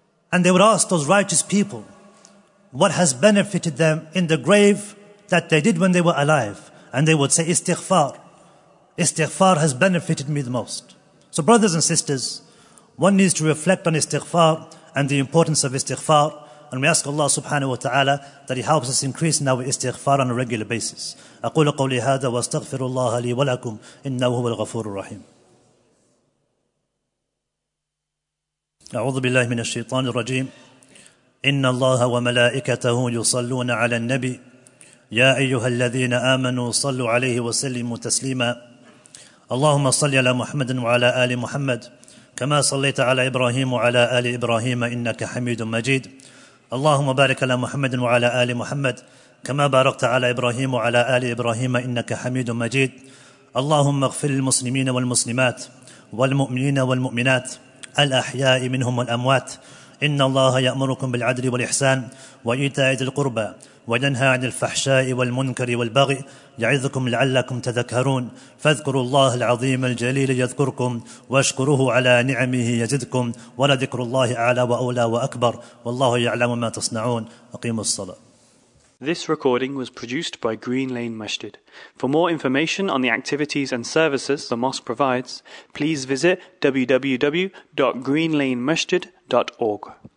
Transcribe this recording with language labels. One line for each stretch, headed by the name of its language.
English: And they would ask those righteous people what has benefited them in the grave that they did when they were alive. And they would say, istighfar. Istighfar has benefited me the most. So brothers and sisters, one needs to reflect on istighfar and the importance of istighfar. And we ask Allah subhanahu wa ta'ala that He helps us increase in our istighfar on a regular basis.
Arabic: أقول قولي هذا واستغفر الله لي ولكم إنه هو الغفور الرحيم. أعوذ بالله من الشيطان الرجيم. إن الله وملائكته يصلون على النبي. يا أيها الذين آمنوا صلوا عليه وسلموا تسليما. اللهم صل على محمد وعلى آل محمد. كما صليت على إبراهيم وعلى آل إبراهيم إنك حميد مجيد. اللهم بارك على محمد وعلى آل محمد كما باركت على إبراهيم وعلى آل إبراهيم إنك حميد مجيد. اللهم اغفر للمسلمين والمسلمات والمؤمنين والمؤمنات الأحياء منهم والأموات. إن الله يأمركم بالعدل والإحسان وإيتاء ذي القربى وينهى عن الفحشاء والمنكر والبغي يعظكم لعلكم تذكرون. فاذكروا الله العظيم الجليل يذكركم واشكروه على نعمه يزدكم. ولذكر الله أعلى وأولى وأكبر والله يعلم ما تصنعون. أقيموا الصلاة.
English: This recording was produced by Green Lane Masjid. For more information on the activities and services the mosque provides, please visit www.greenlanemasjid.org.